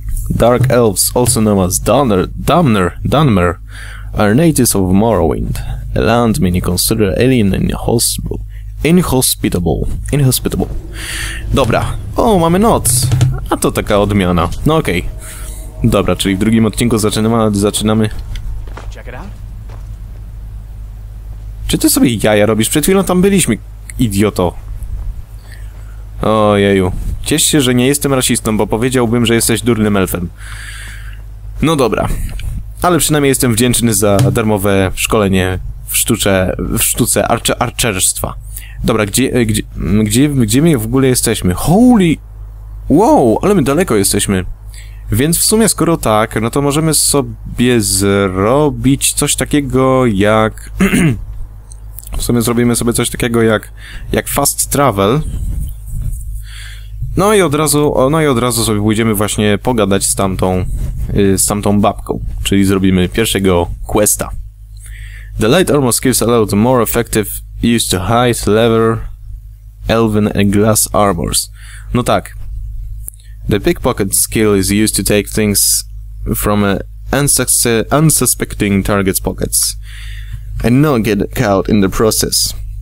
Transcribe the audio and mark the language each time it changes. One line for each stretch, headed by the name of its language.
English: Dark Elves, also known as Dunmer, are natives of Morrowind, a land many consider alien and inhospitable.
Polish: Dobra. O, mamy noc. A to taka odmiana. No okej. Dobra, czyli w drugim odcinku zaczynamy... Czy ty sobie jaja robisz? Przed chwilą tam byliśmy, idioto. Ojeju. Ciesz się, że nie jestem rasistą, bo powiedziałbym, że jesteś durnym elfem. No dobra. Ale przynajmniej jestem wdzięczny za darmowe szkolenie w sztuce archerstwa. Dobra, gdzie my w ogóle jesteśmy? Holy... Wow, ale my daleko jesteśmy. Więc w sumie, skoro tak, no to możemy sobie zrobić coś takiego jak... zrobimy sobie coś takiego jak fast travel. No i od razu sobie pójdziemy właśnie pogadać z tamtą babką. Czyli zrobimy pierwszego questa.
English: The light armor skills allowed more effective use to hide leather, elven and glass armors.
Polish: No tak.
English: The pickpocket skill is used to take things from unsuspecting target's pockets and not get caught in the process.